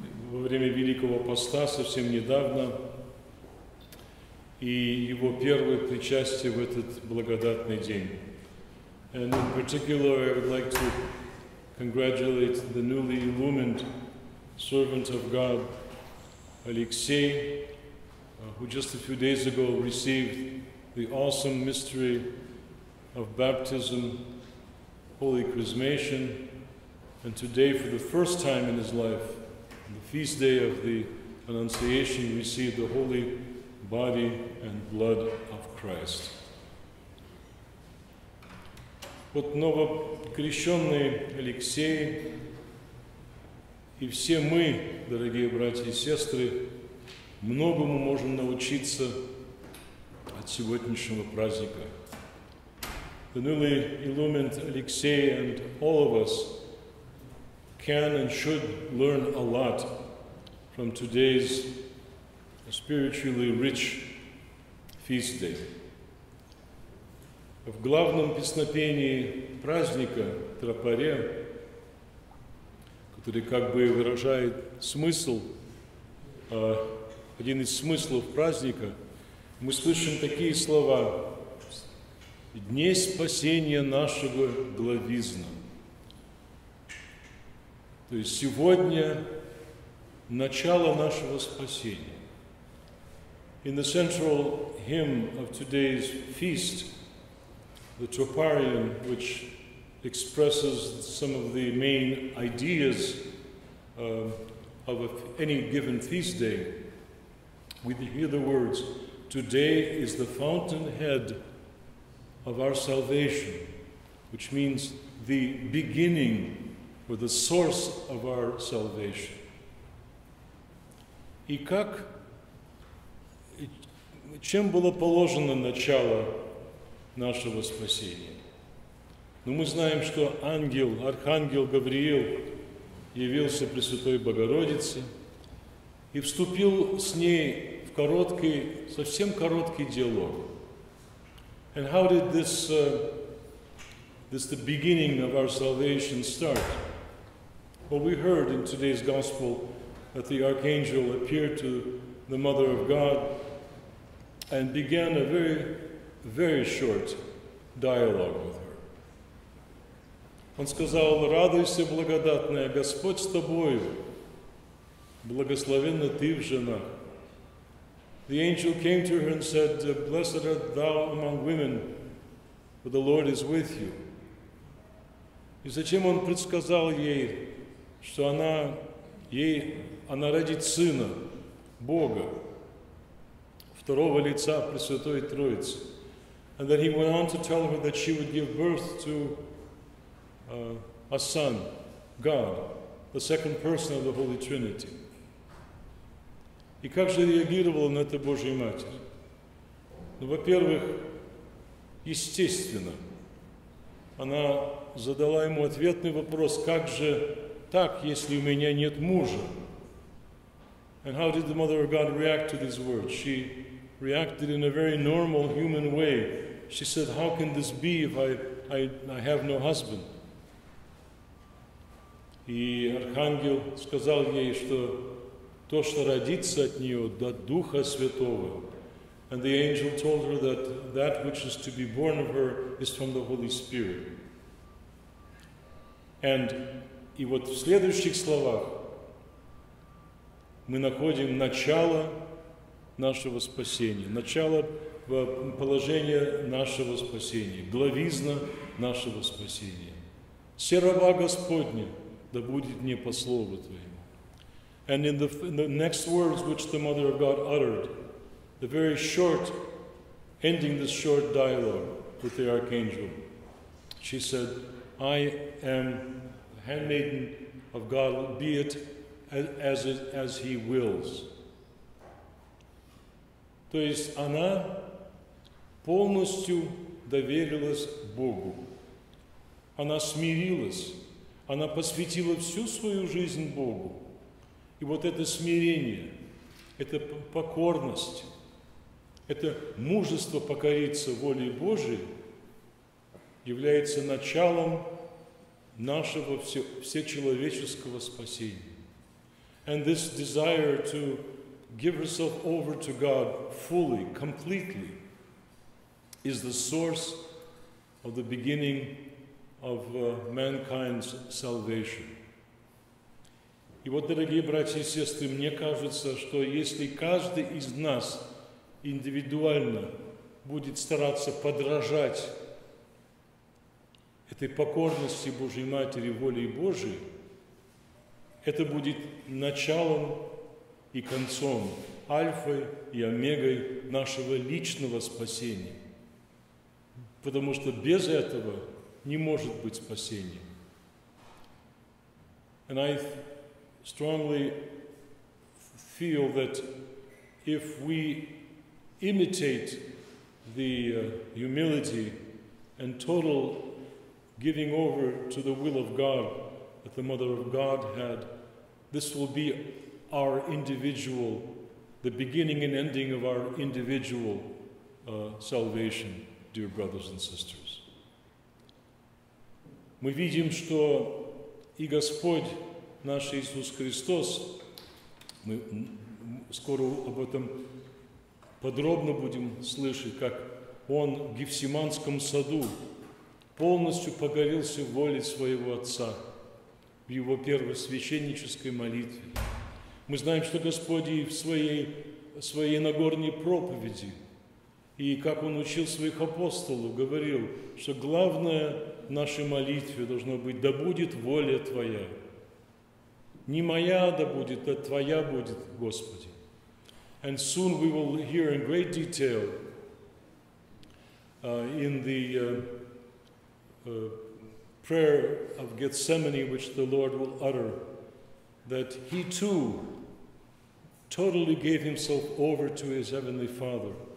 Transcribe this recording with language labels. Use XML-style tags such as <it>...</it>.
<ru>Во время Великого Поста совсем недавно и его первое причастие в этот благодатный день.</ru> <en>And in particular, I would like to congratulate the newly illumined servant of God, Алексей, who just a few days ago received the awesome mystery of baptism, holy chrismation, and today, for the first time in his life, on the feast day of the Annunciation, received the holy Body and Blood of Christ.</en> <ru>Вот новокрещенный Алексей и все мы, дорогие братья и сестры, многому можем научиться от сегодняшнего праздника.</ru> <en>The newly illumined Alexei and all of us can and should learn a lot from today's a spiritually rich feast day.</en> <ru>В главном песнопении праздника Тропаре, который как бы выражает смысл, один из смыслов праздника, мы слышим такие слова: «Дней спасения нашего главизна». То есть сегодня начало нашего спасения.</ru> <en>In the central hymn of today's feast, the Troparion, which expresses some of the main ideas of any given feast day, we hear the words, "Today is the fountainhead of our salvation," which means the beginning or the source of our salvation.</en> <ru>И как Чем было положено начало нашего спасения? Но мы знаем, что ангел, архангел Гавриил явился Пресвятой Богородице и вступил с ней в короткий, совсем короткий диалог.</ru> <en>And how did this the beginning of our salvation start? Well, we heard in today's gospel that the archangel appeared to the Mother of God and began a very, very short dialogue with her.</en> <ru>Он сказал, «Радуйся, благодатная, Господь с тобою, благословенна ты в женах».</ru> <en>The angel came to her and said, «Blessed art thou among women, for the Lord is with you».</en> <ru>И зачем он предсказал ей, что она родит сына, Бога, Второго лица Пресвятой Троицы.</ru> <en>And then he went on to tell her that she would give birth to a son, God, the second person of the Holy Trinity.</en> <ru>И как же реагировала на это Божья Матерь? Ну, во-первых, естественно, она задала ему ответный вопрос, как же так, если у меня нет мужа?</ru> <en>And how did the Mother of God react to these words? She reacted in a very normal human way. She said, how can this be if I have no husband?</en> <ru>И архангел сказал ей, что то, что родится от нее, от Духа Святого.</ru> <en>And the angel told her that that which is to be born of her is from the Holy Spirit. And</en> <ru>и вот в следующих словах мы находим начало нашего спасения, начало положения нашего спасения, главизна нашего спасения. Серова Господня, да будет мне по слову Твоему.</ru> <en>And in the next words which the Mother of God uttered, the very short, ending this short dialogue with the Archangel, she said, I am a handmaiden of God, be it as He wills.</en> <ru>То есть она полностью доверилась Богу. Она смирилась, она посвятила всю свою жизнь Богу. И вот это смирение, это покорность, это мужество покориться воле Божией является началом нашего всечеловеческого спасения.</ru> <en>And this desire to give herself over to God fully, completely, is the source of the beginning of mankind's salvation.</en> <ru>И вот, дорогие братья и сестры, мне кажется, что если каждый из нас индивидуально будет стараться подражать этой покорности Божьей Матери, воле Божией, это будет началом и концом, альфой и омегой нашего личного спасения. Потому что без этого не может быть спасения.</ru> <en>And I strongly feel that if we imitate the humility and total giving over to the will of God that the Mother of God had, this will be our individual, the beginning and ending of our individual salvation, dear brothers and sisters.</en> <ru>Мы видим, что и Господь наш Иисус Христос, мы скоро об этом подробно будем слышать, как Он в Гефсиманском саду полностью покорился воле Своего Отца в Его первосвященнической молитве. Мы знаем, что Господь и в своей Нагорной проповеди, и как Он учил Своих апостолов, говорил, что главное в нашей молитве должно быть «Да будет воля Твоя». Не моя да будет, а Твоя будет, Господи.</ru> <en>And soon we will hear in great detail in the prayer of Gethsemane, which the Lord will utter, that He too totally gave Himself over to His Heavenly Father.</en>